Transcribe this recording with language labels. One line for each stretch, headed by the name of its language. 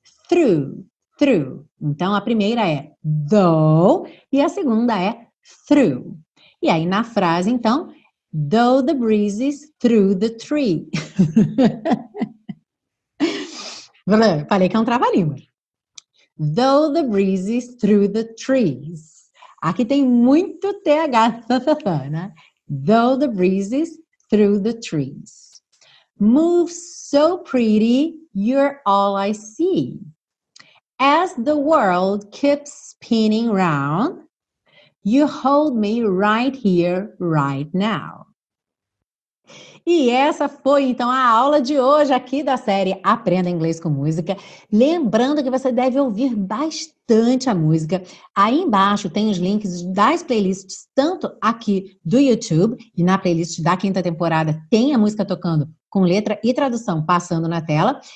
English: Through, through.
Portuguese: Então, a primeira é though e a segunda é through. E aí, na frase, então,
English: though the breezes through the tree.
Portuguese: Falei que é um trava-língua.
English: Though the breezes through the trees.
Portuguese: Aqui tem muito TH, né?
English: Though the breezes through the trees. Move so pretty, you're all I see. As the world keeps spinning round, you hold me right here, right now.
Portuguese: E essa foi, então, a aula de hoje aqui da série Aprenda Inglês com Música. Lembrando que você deve ouvir bastante a música. Aí embaixo tem os links das playlists, tanto aqui do YouTube e na playlist da quinta temporada tem a música tocando com letra e tradução passando na tela.